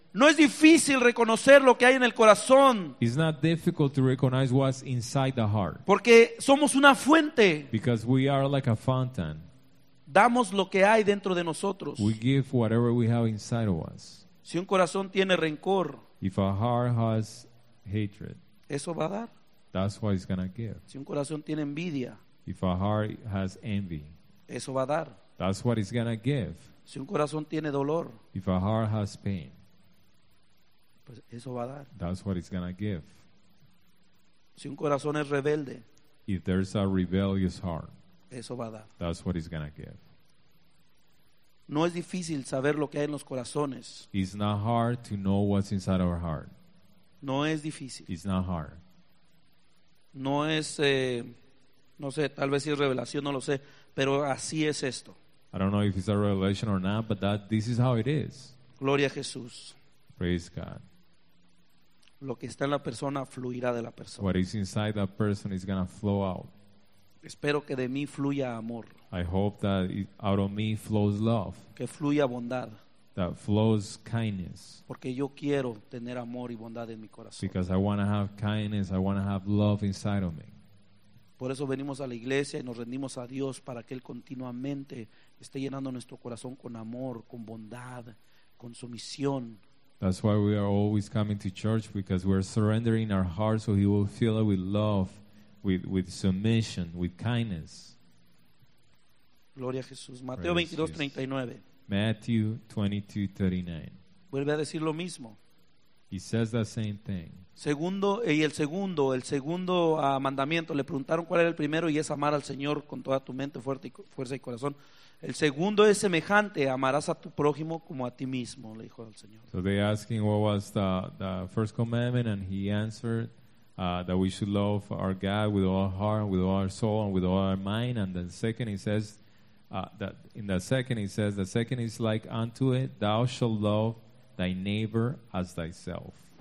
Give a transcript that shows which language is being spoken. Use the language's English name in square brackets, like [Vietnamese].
[Spanish] No es difícil reconocer lo que hay en el corazón. [English] It's not difficult to recognize what's inside the heart. [Spanish] Porque somos una fuente. [English] Because we are like a fountain. [Spanish] Damos lo que hay dentro de nosotros. [English] We give whatever we have inside of us. [Spanish] Si un corazón tiene rencor. [English] If a heart has hatred. [Spanish] Eso va a dar. [English] That's what it's gonna give. [Spanish] Si un corazón tiene envidia. [English] If a heart has envy. [Spanish] Eso va a dar. [English] That's what it's gonna give. [Spanish] Si un corazón tiene dolor. [English] If a heart has pain. [Spanish] Pues eso va a dar. [English] That's what it's gonna give. [Spanish] Si un corazón es rebelde. [English] If there's a rebellious heart. [Spanish] Eso va a dar. [English] That's what it's gonna give. [Spanish] No es difícil saber lo que hay en los corazones. [English] It's not hard to know what's inside our heart. [Spanish] No es difícil. [English] It's not hard. [Spanish] No es, no sé, tal vez si es revelación, no lo sé, pero así es esto. [English] I don't know if it's a revelation or not, but that this is how it is. [Spanish] Gloria a Jesús. [English] Praise God. [Spanish] Lo que está en la persona fluirá de la persona. [English] What is inside that person is gonna flow out. [Spanish] Espero que de mí fluya amor. [English] I hope that out of me flows love. [Spanish] Que fluya bondad. [English] That flows kindness. [Spanish] Porque yo quiero tener amor y bondad en mi corazón. [English] Because I want to have kindness, I want to have love inside of me. [Spanish] Por eso venimos a la iglesia y nos rendimos a Dios para que Él continuamente esté llenando nuestro corazón con amor, con bondad, con sumisión. [English] That's why we are always coming to church, because we're surrendering our hearts so He will fill it with love, with submission, with kindness. [Spanish] Gloria a Jesús. Mateo 22:39. [English] Matthew 22:39. [Spanish] Vuelve a decir lo mismo. [English] He says the same thing. [Spanish] Segundo, y el segundo mandamiento, le preguntaron cuál era el primero, y es amar al Señor con toda tu mente, fuerza y corazón. El segundo es semejante, amarás a tu prójimo como a ti mismo, le dijo al Señor. [English] So they asked him what was the first commandment, and he answered that we should love our God with all our heart, with all our soul, and with all our mind. And then second, he says, the second is like unto it, thou shalt love thy neighbor as thyself.